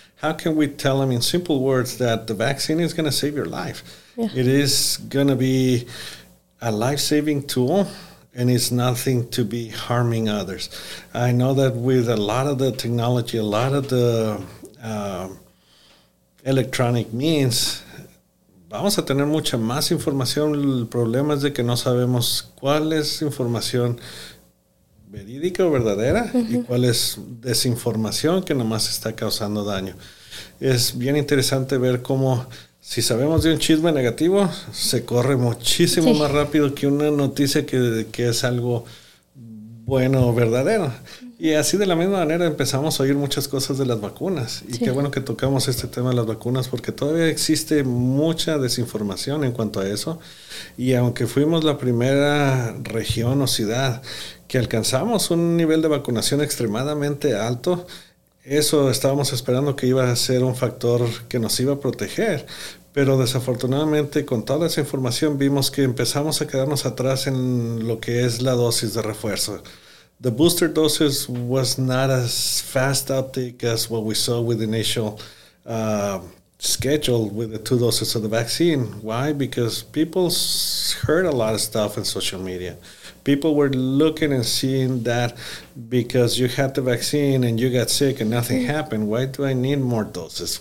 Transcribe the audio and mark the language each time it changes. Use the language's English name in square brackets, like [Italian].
[English] How can we tell them in simple words that the vaccine is going to save your life? Yeah. It is going to be a life-saving tool, and it's nothing to be harming others. I know that with a lot of the technology, a lot of the electronic means, [Spanish] vamos a tener mucha más información. El problema es de que no sabemos cuál es información verídica o verdadera y cuál es desinformación que nomás está causando daño. Es bien interesante ver cómo, si sabemos de un chisme negativo, se corre muchísimo más rápido que una noticia que es algo bueno o verdadero. Y así, de la misma manera, empezamos a oír muchas cosas de las vacunas. Y qué bueno que tocamos este tema de las vacunas, porque todavía existe mucha desinformación en cuanto a eso. Y aunque fuimos la primera región o ciudad que alcanzamos un nivel de vacunación extremadamente alto, eso estábamos esperando que iba a ser un factor que nos iba a proteger. Pero desafortunadamente, con toda esa información, vimos que empezamos a quedarnos atrás en lo que es la dosis de refuerzo. [English] The booster doses was not as fast uptake as what we saw with the initial schedule with the two doses of the vaccine. Why? Because people heard a lot of stuff in social media. People were looking and seeing that because you had the vaccine and you got sick and nothing happened, why do I need more doses?